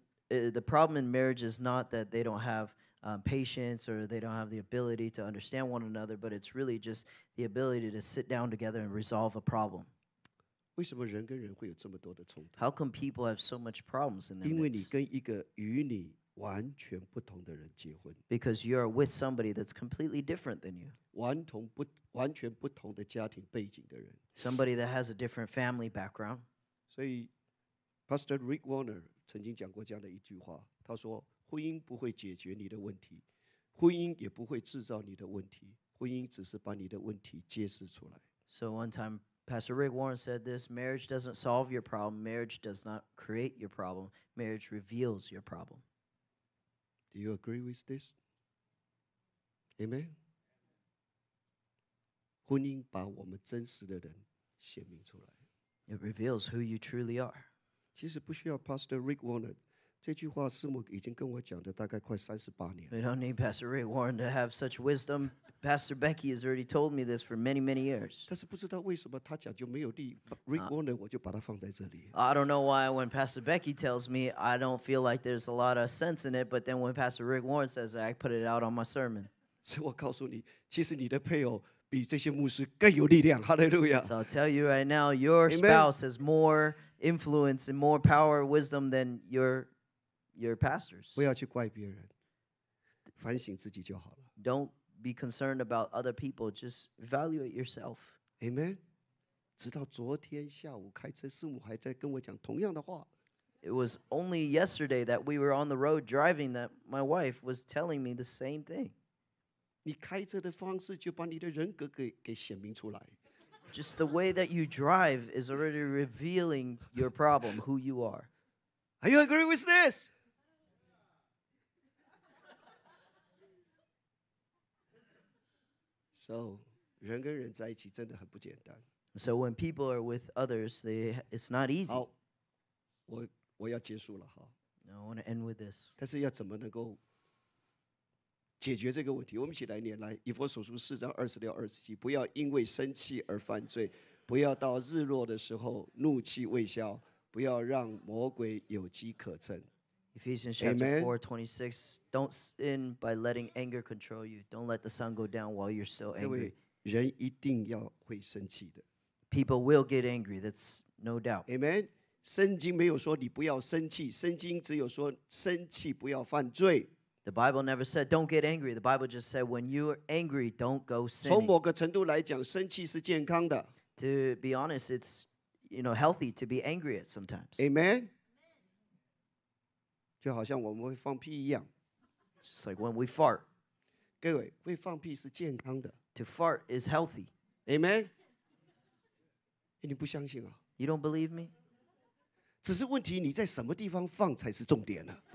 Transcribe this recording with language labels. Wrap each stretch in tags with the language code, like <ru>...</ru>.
<en>The problem in marriage is not that they don't have patience or they don't have the ability to understand one another, but it's really just the ability to sit down together and resolve a problem.</en> <zh>为什么人跟人会有这么多的冲突？</zh> <en>How come people have so much problems in their midst?</en> <zh>因为你跟一个与你完全不同的人结婚</zh> <en>，because you are with somebody that's completely different than you.</en> <zh>完全不同的家庭背景的人</zh> <en>，somebody that has a different family background.</en> <zh>所以 ，Pastor Rick Warner 曾经讲过这样的一句话，他说：“婚姻不会解决你的问题，婚姻也不会制造你的问题，婚姻只是把你的问题揭示出来。”</zh> <en>So one time, Pastor Rick Warner said this: "Marriage doesn't solve your problem. Marriage does not create your problem. Marriage reveals your problem." Do you agree with this? Amen.</en> <zh>婚姻把我们真实的人显明出来。</zh> <en>It reveals who you truly are.</en> <zh>其实不需要 Pastor Rick Warner 这句话，师母已经跟我讲的大概快38年。</zh> <en>We don't need Pastor Rick Warner to have such wisdom. Pastor Becky has already told me this for many, many years.</en> <zh>但是不知道为什么他讲就没有力 Rick Warner 我就把它放在这里。</zh> <en>I don't know why when Pastor Becky tells me, I don't feel like there's a lot of sense in it, but then when Pastor Rick Warner says that, I put it out on my sermon.</en> <zh>所以我告诉你，其实你的配偶比这些牧师更有力量。</zh> <en>Hallelujah. So I'll tell you right now, your spouse has more influence and more power and wisdom than your pastors.</en> <zh>不要去怪别人，反省自己就好了。</zh> <en>Don't be concerned about other people. Just evaluate yourself. Amen.</en> <zh>直到昨天下午开车，师母还在跟我讲同样的话。</zh> <en>It was only yesterday that we were on the road driving that my wife was telling me the same thing.</en> <zh>你开车的方式就把你的人格给显明出来。</zh> <en>Just the way that you drive is already revealing your problem, who you are. Are you agree with this?</en> <zh>So, 人跟人在一起真的很不简单。</zh> <en>So when people are with others, it's not easy.</en> <zh>好，我要结束了哈。</zh> <en>No, I want to end with this.</en> <zh>但是要怎么能够解决这个问题？我们一起来念，来以弗所书4:26-27，不要因为生气而犯罪，不要到日落的时候怒气未消，不要让魔鬼有机可乘。</zh> <en>Ephesians chapter 4:26. Don't sin by letting anger control you. Don't let the sun go down while you're still angry.</en> <zh>因为人一定要会生气的。</zh> <en>People will get angry. That's no doubt. Amen.</en> <zh>圣经没有说你不要生气，圣经只有说生气不要犯罪。</zh> <en>The Bible never said don't get angry. The Bible just said when you're angry, don't go sinning.</en> <zh>从某个程度来讲，生气是健康的。</zh> <en>To be honest, it's healthy to be angry at sometimes. Amen.</en> <zh>就好像我们会放屁一样</zh> <en>It's like when we fart.</en> <zh>各位，会放屁是健康的。</zh> <en>To fart is healthy.</en> <zh>Amen. 你不相信啊？</zh> <en>You don't believe me?</en> <zh>只是问题你在什么地方放才是重点呢、啊、</zh>